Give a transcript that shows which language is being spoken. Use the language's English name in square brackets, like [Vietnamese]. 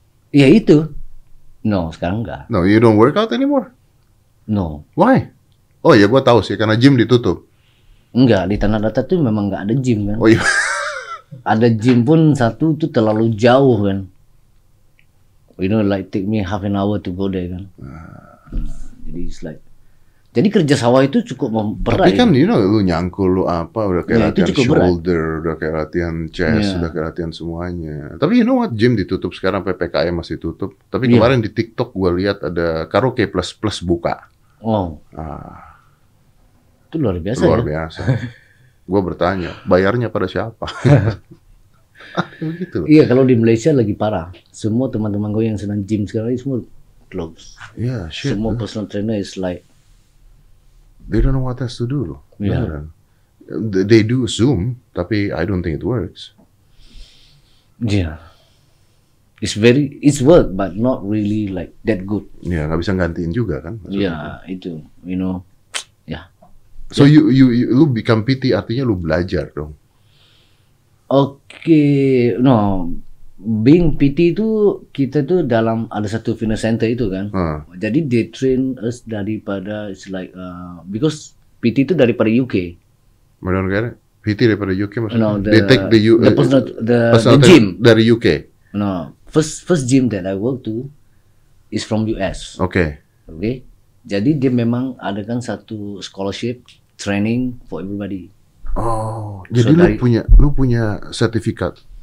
[Indonesian] Ya itu. No, sekarang enggak. [English] No, you don't work out anymore? No. Why? [Indonesian] Oh ya gua tahu sih, karena gym ditutup. Enggak, di Tanah Datar tuh memang enggak ada gym kan? Oh iya. Ada gym pun satu itu terlalu jauh kan? [English] You know, like take me half an hour to go there kan. [Indonesian] Jadi [English] it's like, [Indonesian] jadi kerja sawah itu cukup berat. Tapi kan, ya? [English] You know, [Indonesian] lu nyangkul, lu apa, udah kayak latihan shoulder, berat. Udah kayak latihan chest, udah kayak latihan semuanya. Tapi [English] you know what, [Indonesian] gym ditutup sekarang, PPKM masih tutup. Tapi kemarin di TikTok gue lihat ada karaoke plus plus buka. Oh. Itu luar biasa. Luar ya? Biasa. Gue bertanya, bayarnya pada siapa? Begitu. Iya, kalau di Malaysia lagi parah. Semua teman-teman gue yang senang gym sekarang semua clubs. [English] Yeah, shit. [Indonesian] Semua [English] personal trainer is like they don't know what else to do loh. Yeah. They do Zoom, [Indonesian] tapi [English] I don't think it works. Yeah. It's work, but not really like that good. [Indonesian] Ya, yeah, nggak bisa gantiin juga kan? [English] Ya, yeah, itu, you know, ya. Yeah. So yeah. You [Indonesian] lu become PT artinya lu belajar dong. Okay, no, being PT itu kita tuh dalam ada satu fitness center itu kan. [English] Jadi they train us daripada it's like because [Malay] PT itu daripada UK. [Indonesian] Mana negara? PT daripada UK maksudnya? [English] No, the, they take the gym [Indonesian] dari UK. [English] No, first gym that I work to is from US. Okay. [Indonesian] Jadi dia memang ada kan satu [English] scholarship training for everybody. [Indonesian] Jadi so lu punya sertifikat